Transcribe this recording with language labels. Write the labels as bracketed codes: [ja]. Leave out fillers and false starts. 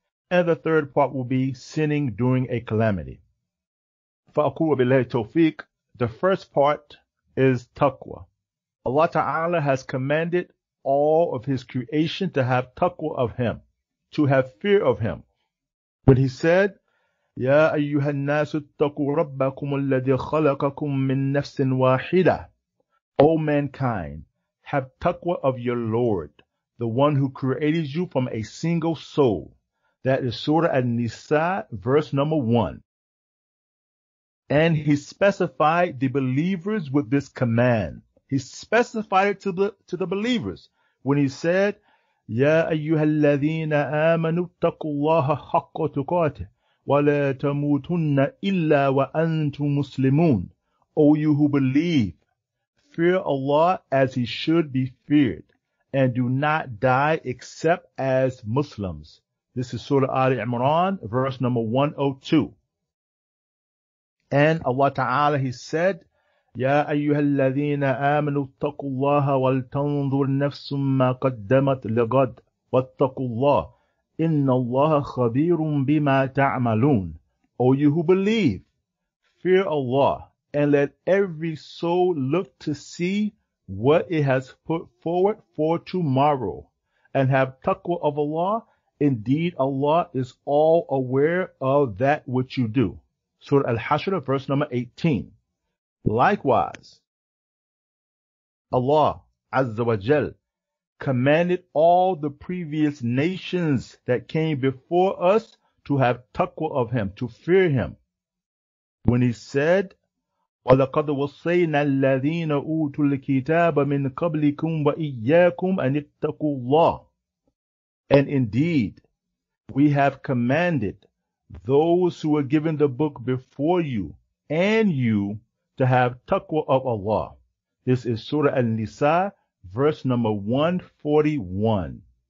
[en] And the third part will be sinning during a calamity. [ar] فَأَقُوا بِاللَّهِ تَوْفِيقِ. [en] The first part is taqwa. Allah Ta'ala has commanded all of His creation to have taqwa of Him, to have fear of Him. When He said, [ar] يَا أَيُّهَا النَّاسُ اتَّقُوا رَبَّكُمُ الَّذِي خَلَقَكُم مِّن نَّفْسٍ وَاحِدَةٍ. [en] O mankind, have taqwa of your Lord, the one who created you from a single soul. That is Surah An-Nisa, verse number 1. And He specified the believers with this command. He specified it to the believers when He said, [ar] يَا أَيُّهَا الَّذِينَ آمَنُوا اتَّقُوا اللَّهَ حَقَّ تُقَاتِهِ وَلَا تَمُوتُنَّ إِلَّا وَأَنْتُمْ مُسْلِمُونَ. [en] O you who believe, fear Allah as He should be feared, and do not die except as Muslims. This is Surah Ali Imran, verse number 102. And Allah Ta'ala, He said, [ar] يَا أَيُّهَا الَّذِينَ آمَنُوا اتَّقُوا اللَّهَ وَلْتَنْظُرْ نَفْسٌ مَّا قَدَّمَتْ لِغَدْ وَاتَّقُوا اللَّهَ إِنَّ اللَّهَ خَبِيرٌ بِمَا تَعْمَلُونَ. [en] O you who believe, fear Allah, and let every soul look to see what it has put forward for tomorrow, and have taqwa of Allah. Indeed, Allah is all aware of that which you do. Surah Al-Hashr, verse number 18. Likewise, Allah Azza wa Jal commanded all the previous nations that came before us to have taqwa of Him, to fear Him. When He said, [ar] وَلَقَدْ وَصَّيْنَا الَّذِينَ أُوتُوا الْكِتَابَ مِنْ قَبْلِكُمْ وَإِيَّاكُمْ أَنِ اتَّقُوا اللَّهَ. [en] And indeed, we have commanded those who were given the book before you and you to have taqwa of Allah. This is Surah An-Nisa, verse number 141.